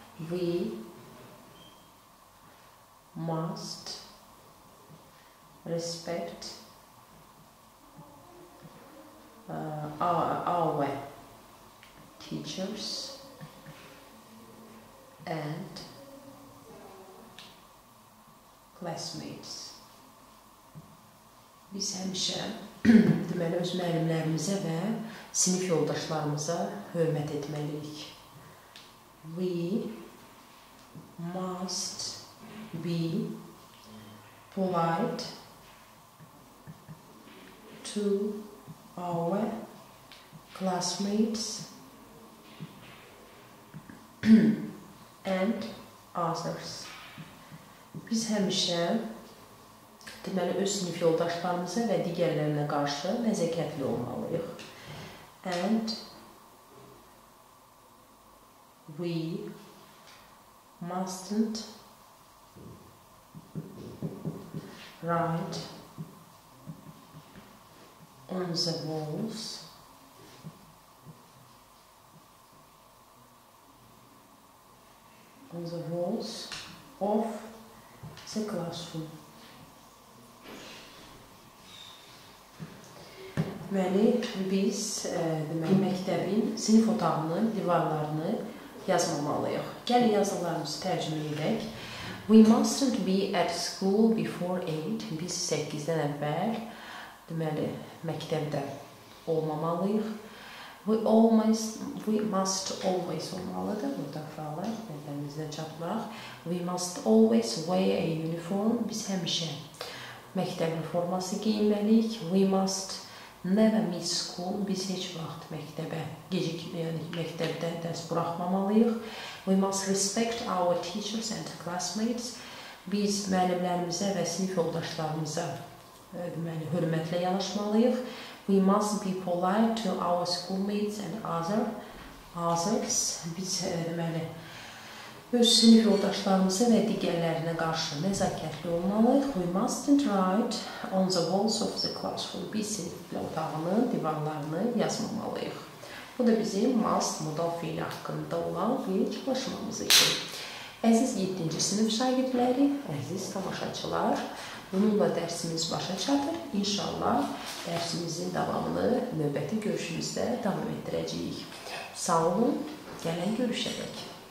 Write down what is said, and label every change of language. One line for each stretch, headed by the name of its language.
English: We must respect our teachers and classmates.
Azerbaijani: Biz həmişə deməli öz müəllimlərimizə və sinif yoldaşlarımıza hörmət etməliyik.
English: We must be polite to our classmates and others.
Azerbaijani: Biz həmişə deməli öz sinif yoldaşlarımıza və digərlərinə qarşı nəzakətli olmalıyıq.
English: And we mustn't write on the walls of the classroom.
Azerbaijani: Deməli, biz məktəbin sinif otağının divarlarını yazmamalıyıq. Gəlin yazılarımızı tərcümə edək.
English: We mustn't be at school before 8.
Azerbaijani: Biz 8-dən əvvəl, deməli, məktəbdə olmamalıyıq.
English: We must always
Azerbaijani: olmalıdır. Burada fəalar, bədənimizdə çatmaq.
English: We must always wear a uniform.
Azerbaijani: Biz həmişə məktəbin forması giyinməliyik.
English: We must never miss school.
Azerbaijani: Biz heç vaxt məktəbə gecikməyəni, məktəbdə dərs buraxmamalıyıq.
English: We must respect our teachers and classmates.
Azerbaijani: Biz müəllimlərimizə və sinif yoldaşlarımıza deməli, hörmətlə yanaşmalıyıq.
English: We must be polite to our schoolmates and others.
Azerbaijani: Biz deməli, öz sinif yoldaşlarımıza və digərlərinə qarşı nəzakətli olmalıyıq.
English: We mustn't write on the walls of the classroom.
Azerbaijani: Biz sinif otağının divarlarını yazmamalıyıq. Bu da bizim must modal fiili haqqında olan bir çalışmamız üçün. Əziz 7-ci sinif şagirdləri, əziz tamaşaçılar, bununla dərsimiz başa çatır. İnşallah dərsimizin davamını növbəti görüşümüzdə davam etdirəcəyik. Sağ olun, gələn görüşə dək.